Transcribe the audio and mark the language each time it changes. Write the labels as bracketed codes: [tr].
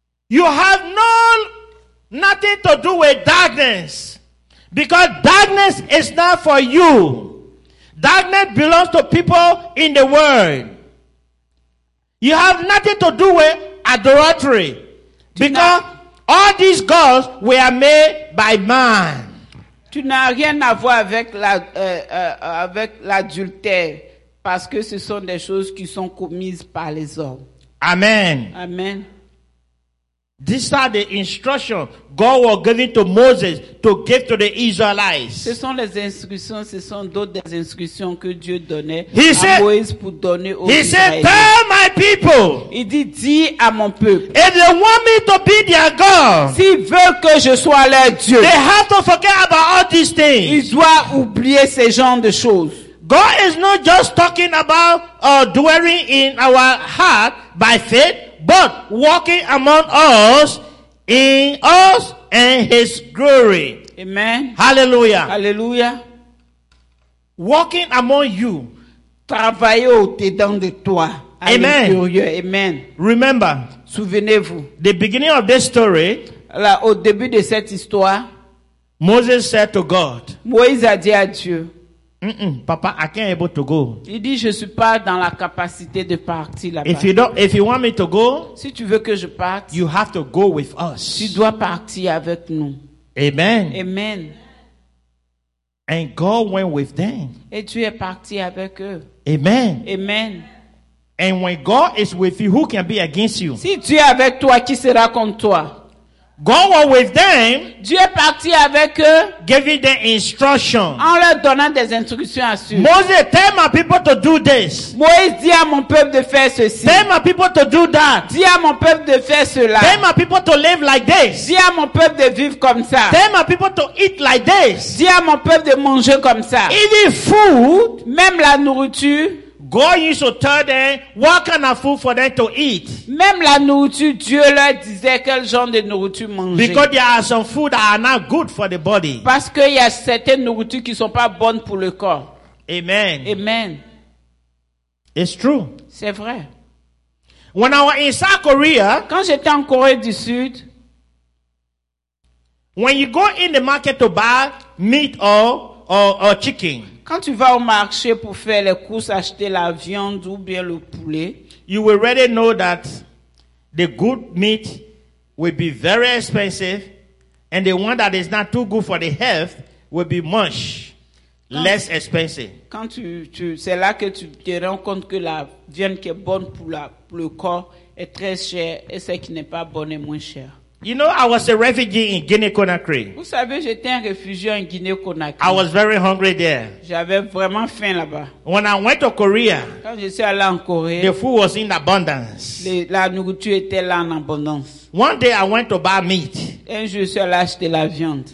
[en] You have nothing to do with darkness, because darkness is not for you. Darkness belongs to people in the world. You have nothing to do with adultery, because all these gods were made by man. [fr] Tu n'as rien à voir avec l'adultère, parce que ce sont des choses qui sont commises par les hommes. [en] Amen. [fr] Amen. [en] These are the instructions God was giving to Moses to give to the Israelites. [fr] Ce sont les instructions, ce sont d'autres instructions que Dieu donnait à Moïse pour donner aux Israélites. [en] He said, tell my people. [fr] Il dit, dis à mon peuple. [en] If they want me to be their God, [fr] s'ils veulent que je sois leur Dieu, [en] they have to forget about all these things. [fr] Ils doivent oublier ce genre de choses. [en] God is not just talking about dwelling in our heart by faith, but walking among us, in us and his glory. Amen. Hallelujah. [fr] Hallelujah. [en] Walking among you. [fr] Travailler au-dedans de toi. [en] Amen. [fr] Amen. [en] Remember. [fr] Souvenez-vous. [en] The beginning of this story. [fr] Là, au début de cette histoire. [en] Moses said to God, [fr] Moïse a dit à Dieu, [en] Papa, I can't able to go. [fr] Il dit, je suis pas dans la capacité de partir là-bas. [en] If you don't, if you want me to go, [fr] si tu veux que je parte, [en] you have to go with us. [fr] Tu dois partir avec nous. [en] Amen. [fr] Amen. [en] And God went with them. [fr] Et Dieu est parti avec eux. [en] Amen. [fr] Amen. [en] And when God is with you, who can be against you? [fr] Si Dieu est avec toi, qui sera contre toi? [en] God was with them. [fr] Dieu est parti avec eux. [en] Giving them instructions. [fr] En leur donnant des instructions à suivre. [en] Moses, tell my people to do this. [fr] Moïse dit à mon peuple de faire ceci. [en] Tell my people to do that. [fr] Dis à mon peuple de faire cela. [en] Tell my people to live like this. [fr] Dis à mon peuple de vivre comme ça. [en] Tell my people to eat like this. [fr] Dis à mon peuple de manger comme ça. [en] Even food, [fr] même la nourriture. [en] God used to tell them what kind of food for them to eat. [fr] Même la nourriture, Dieu leur disait quel genre de nourriture manger. [en] Because there are some food that are not good for the body. [fr] Parce qu'il y a certaines nourritures qui sont pas bonnes pour le corps. [en] Amen. [fr] Amen. [en] It's true. [fr] C'est vrai. [en] When I was in South Korea, [fr] quand j'étais en Corée du Sud, [en] when you go in the market to buy meat or chicken. [fr] Quand tu vas au marché pour faire les courses, acheter la viande ou bien le poulet, [en] you will already know that the good meat will be very expensive and the one that is not too good for the health will be much less expensive. [fr] Quand tu c'est là que tu te rends compte que la viande qui est bonne pour le corps est très chère et celle qui n'est pas bonne est moins chère. [en] You know, I was a refugee in Guinea-Conakry. [fr] Vous savez, j'étais un réfugié en Guinée-Conakry. [en] I was very hungry there. [fr] J'avais vraiment faim là-bas. [en] When I went to Korea, [fr] quand je suis allé en Corée, [en] the food was in abundance. [fr] La nourriture était là en abondance. [en] One day I went to buy meat. [fr] Un jour, je suis allé acheter la viande.